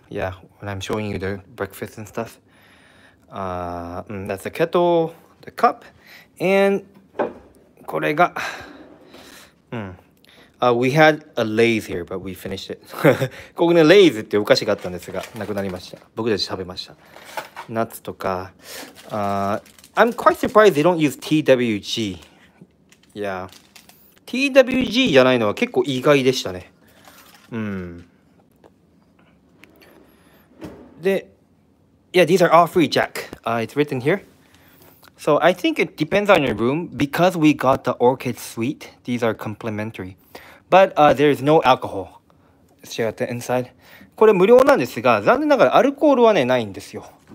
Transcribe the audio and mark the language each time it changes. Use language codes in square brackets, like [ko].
[en] Yeah, when I'm showing you the breakfast and stuff. That's the kettle, the cup, and [ja] これが、 [en] we had a Lay's here, but we finished it. [ja] ここね、Lay'sっていうお菓子があったんですが、なくなりました。僕たち食べました。ナッツとか、 [en] I'm quite surprised they don't use TWG. Yeah. [ja] TWG じゃないのは結構意外でしたね。 [en] で、Yeah, these are all free, Jack. It's written here. So I think it depends on your room. Because we got the Orchid Suite, these are complimentary. But there is no alcohol. Let's check out the inside. [ja] これ無料なんですが、残念ながらアルコールはね、ないんですよ。